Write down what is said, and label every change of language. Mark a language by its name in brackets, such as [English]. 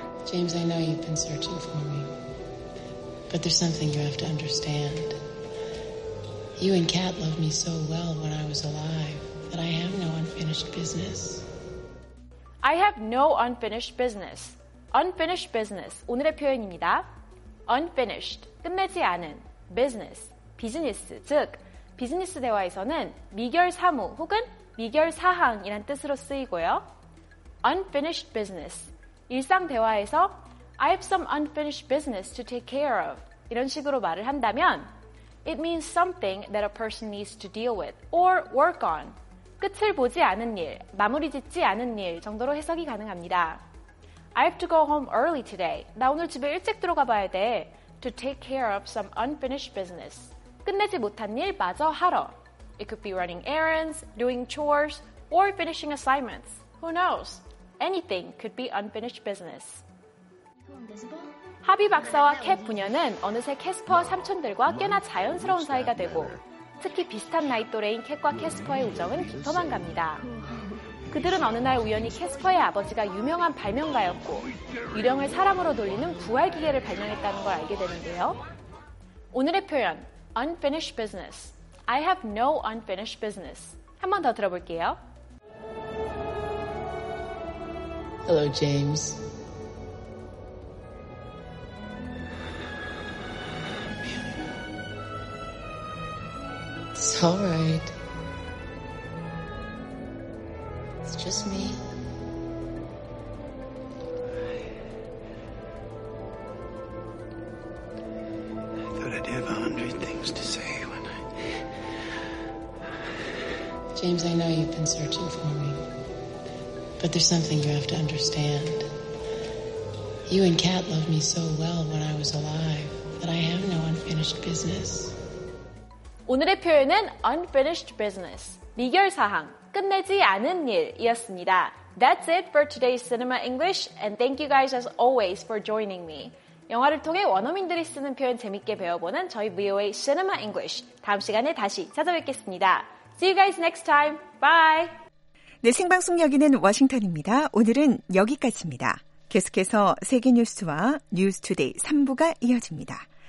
[English] James, I know you've been searching for me. But there's something you have to understand. You and Kat loved me so well when I was alive that I have no unfinished business. I have no unfinished business. [Korean] Unfinished business, 오늘의 표현입니다. Unfinished, 끝내지 않은, business, 비즈니스, 즉, 비즈니스 대화에서는 미결 사무 혹은 미결 사항이란 뜻으로 쓰이고요. [English] Unfinished business, [Korean] 일상 대화에서 [English] I have some unfinished business to take care of, [Korean] 이런 식으로 말을 한다면 [English] It means something that a person needs to deal with or work on. [Korean] 끝을 보지 않은 일, 마무리 짓지 않은 일 정도로 해석이 가능합니다. [English] I have to go home early today. [Korean] 나 오늘 집에 일찍 들어가 봐야 돼. [English] To take care of some unfinished business. [Korean] 끝내지 못한 일 마저 하러. [English] It could be running errands, doing chores, or finishing assignments. Who knows? Anything could be unfinished business. [Korean] 하비 박사와 캣 부녀는 어느새 캐스퍼와 삼촌들과 꽤나 자연스러운 사이가 되고 특히 비슷한 나이 또래인 캣과 캐스퍼의 우정은 깊어만 갑니다. 그들은 어느 날 우연히 캐스퍼의 아버지가 유명한 발명가였고 유령을 사람으로 돌리는 부활기계를 발명했다는 걸 알게 되는데요. 오늘의 표현, unfinished business. [English] I have no unfinished business. [Korean] 한 번 더 들어볼게요. [English] Hello, James. It's all right. It's just me. I thought I'd have 100 things to say when I... James, I know you've been searching for me. But there's something you have to understand. You and Kat loved me so well when I was alive that I have no unfinished business. [Korean] 오늘의 표현은 unfinished business, 미결사항, 끝내지 않은 일이었습니다. [English] That's it for today's Cinema English, and thank you guys as always for joining me. [Korean] 영화를 통해 원어민들이 쓰는 표현 재밌게 배워보는 저희 VOA Cinema English, 다음 시간에 다시 찾아뵙겠습니다. [English] See you guys next time. Bye! [Korean] 네, 생방송 여기는 워싱턴입니다. 오늘은 여기까지입니다. 계속해서 세계뉴스와 뉴스투데이 3부가 이어집니다.